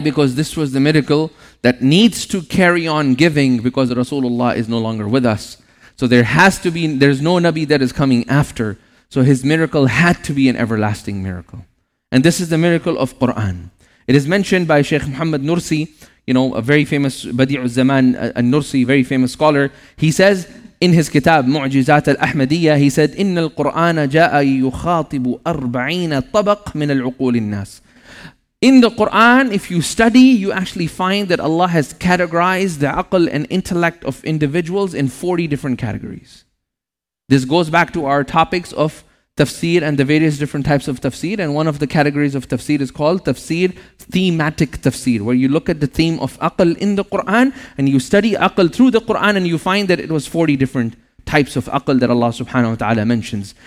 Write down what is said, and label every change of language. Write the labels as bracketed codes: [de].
[en] Because this was the miracle that needs to carry on giving, because Rasulullah is no longer with us. So there has to be, there's no Nabi that is coming after. So his miracle had to be an everlasting miracle. And this is the miracle of Quran. It is mentioned by Sheikh Muhammad Nursi, you know, a very famous Badi'u Zaman, a Nursi, very famous scholar. He says, In his kitab, Mu'jizat al-Ahmadiyya, he said, [ar] إِنَّ الْقُرْآنَ جَاءَ يُخَاطِبُ أَرْبَعِينَ طَبَقْ مِنَ الْعُقُولِ النَّاسِ. [en] In the Quran, if you study, you actually find that Allah has categorized the aql and intellect of individuals in 40 different categories. This goes back to our topics of tafsir and the various different types of tafsir. And one of the categories of tafsir is called tafsir, thematic tafsir, where you look at the theme of aql in the Quran and you study aql through the Quran and you find that it was 40 different types of aql that Allah subhanahu wa ta'ala mentions.